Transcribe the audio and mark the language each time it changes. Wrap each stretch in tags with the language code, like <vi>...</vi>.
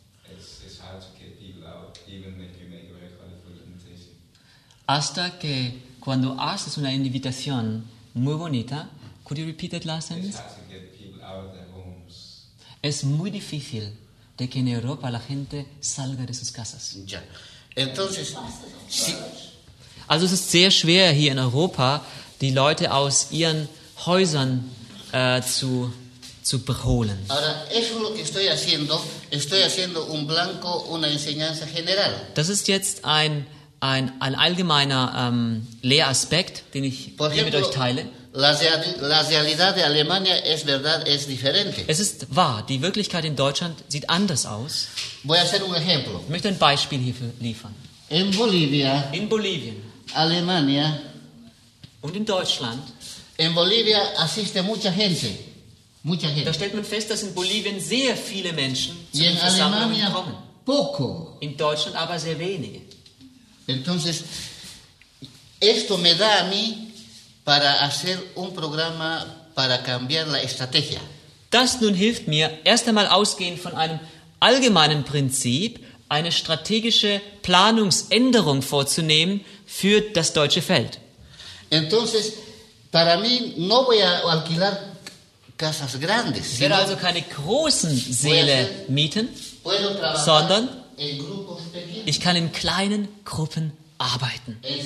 <en>It's hard to get people out, even if you make a very qualified invitation.</en> <es>Hasta que cuando haces una invitación muy bonita,</es> <en>could you repeat that last sentence? It's hard to get people out of their homes.</en> <es>Es muy difícil de que en Europa la gente salga de sus casas. Ya. Entonces, sí.</es> <de>Also es ist sehr schwer hier in Europa, die Leute aus ihren Häusern zu beholen.</de> <es>Ahora, eso lo que estoy haciendo. Estoy haciendo un blanco, una enseñanza general.</es> <de>Das ist jetzt ein allgemeiner Lehraspekt, den ich hier mit euch teile.</de> <es>La realidad de Alemania es verdad, es diferente.</es> <de>Es ist wahr, die Wirklichkeit in Deutschland sieht anders aus.</de> <es>Voy a hacer un ejemplo.</es> <de>Ich möchte ein Beispiel hierfür liefern.</de> <es>En Bolivia,</es> <de>in Bolivien,</de> <es>Alemania</es> <de>und in Deutschland,</de> <es>en Bolivia asiste mucha gente. Mucha gente.</es> <de>Da stellt man fest, dass in Bolivien sehr viele Menschen zu den Versammlungen kommen.</de> <es>Poco.</es> <de>In Deutschland aber sehr wenige.</de> <es>Entonces, esto me da a mí para hacer un programa para cambiar la estrategia.</es> <de>Das nun hilft mir, erst einmal ausgehend von einem allgemeinen Prinzip, eine strategische Planungsänderung vorzunehmen für das deutsche Feld.</de> <es>Entonces, para mí no voy a alquilar casas grandes.</es> <de>Ich werde also keine großen Säle mieten, sondern ich kann in kleinen Gruppen arbeiten.</de>